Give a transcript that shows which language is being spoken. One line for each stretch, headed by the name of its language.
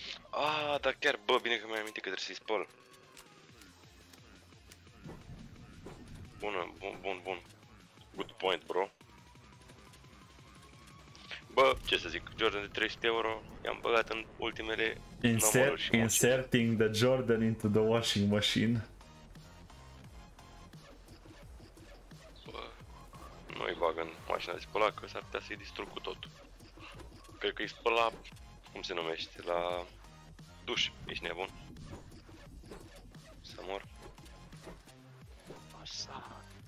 Romanian: Aaa, dar chiar, bă, bine că mi-ai amintit că trebuie să-i spăl. Bună, bun.
English: Good point, bro.
Romanian: Bă, ce să zic, Jordan de 300 euro, i-am băgat în ultimele...
English: Inserting the Jordan into the washing machine.
Romanian: Nu-i bag în mașina de spălat, că s-ar putea să-i distrug cu totul. Cred că-i spăla, cum se numește, la duș, ești nebun. Să mor. Asta.